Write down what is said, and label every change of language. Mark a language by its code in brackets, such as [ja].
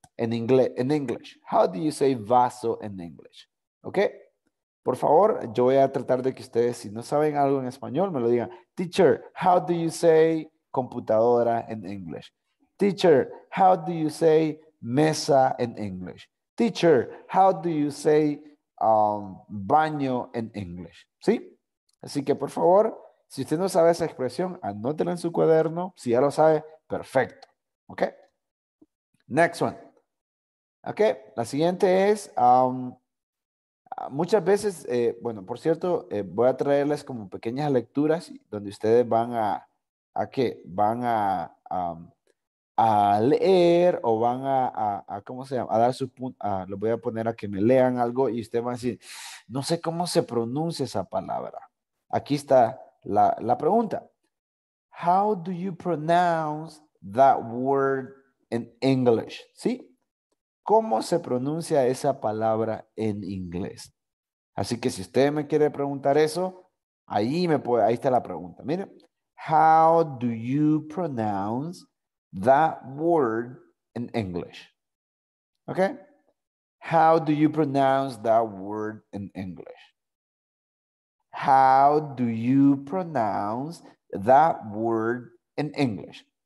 [en] In English, how do you say vaso in English? [es] Okay, por favor, yo voy a tratar de que ustedes, si no saben algo en español, me lo digan. [en] Teacher, how do you say computadora in English? Teacher, how do you say mesa in English? Teacher, how do you say baño in English? [es] ¿Sí? Así que, por favor, si usted no sabe esa expresión, anótela en su cuaderno. Si ya lo sabe, perfecto. [en] Okay, next one. [es] Ok, la siguiente es, muchas veces, por cierto, voy a traerles como pequeñas lecturas donde ustedes van a leer o van a dar su punto, los voy a poner a que me lean algo y ustedes van a decir, no sé cómo se pronuncia esa palabra. Aquí está la pregunta. [en] How do you pronounce that word in English? [es] ¿Sí? ¿Cómo se pronuncia esa palabra en inglés? Así que si usted me quiere preguntar eso, ahí está la pregunta. [en] Miren, how do you pronounce that word in English? ¿Ok? How do you pronounce that word in English? How do you pronounce that word in English?